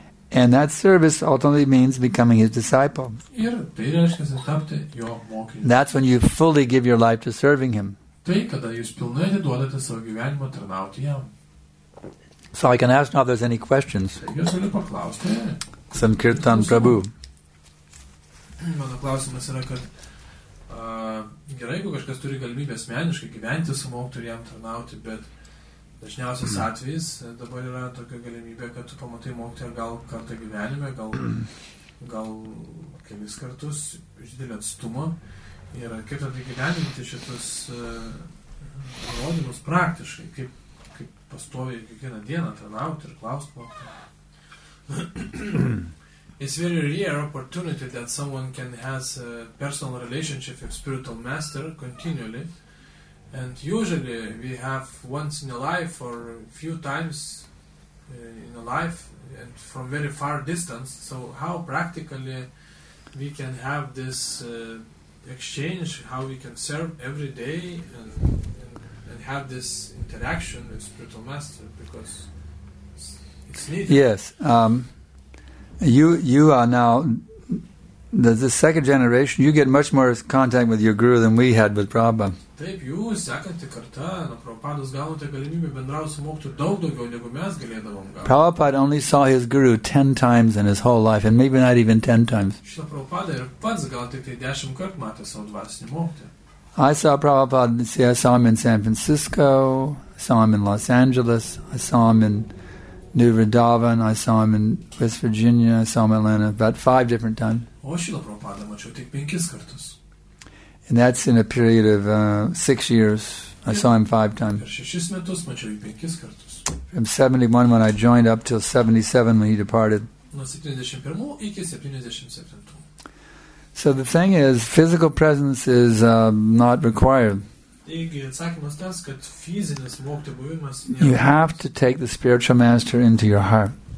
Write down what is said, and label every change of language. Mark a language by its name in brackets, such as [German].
[English] And that service ultimately means becoming his disciple. That's when you fully give your life to serving him. [Lithuanian] Tai, kada jūs pilnai atiduodate savo gyvenimą tarnauti jam. [English] So I can ask now if there's any questions. [Lithuanian] Jūs galiu paklausti. [English] Sankirtan Prabhu. [Lithuanian] Mano klausimas yra, kad gerai, jeigu kažkas turi galimybę asmeniškai gyventi su mokytoju ir jam tarnauti, bet dažniausias atvejis dabar yra tokia galimybė, kad tu pamatai mokytoją gal kartą gyvenime, gal kelis kartus iš didelį atstumą. Ir kaip tada gyveninti šitus įrodymus praktiškai, kaip pastovi kiekvieną dieną tarnauti ir klausti mokytojų. [English] It's very rare opportunity that someone can has a personal relationship with spiritual master continually. And usually we have once in a life or few times in a life and from very far distance. So how practically we can have this... exchange, how we can serve every day and have this interaction with spiritual master, because it's needed. Yes. You are now the second generation, you get much more contact with your guru than we had with Prabhupada. [Lithuanian] Taip, jūs sekanti kartą, nuo Prabhupados gaunate galimybę bendrauti su mokytoju daug daugiau, negu mes galėdavom gauti. [English] Prabhupada only saw his guru 10 times in his whole life, and maybe not even 10 times. [Lithuanian] Šita Prabhupada ir pats gal tik tai 10 kartų matė savo dvasinį mokytoją. [English] I saw Prabhupada, see, I saw him in San Francisco, I saw him in Los Angeles, I saw him in New Vrindavan, I saw him in West Virginia, I saw him in Atlanta, about 5 different times. [Lithuanian] O šilo Prabhupada mačiau tik 5 kartus. [English] And that's in a period of 6 years. I saw him 5 times. [Lithuanian] Per 6 metus mačiau jį 5 kartus. [English] From 71 when I joined up till 77 when he departed. [Lithuanian] nuo 71 iki 77. [English] So the thing is, physical presence is not required. You have to take the spiritual master into your heart.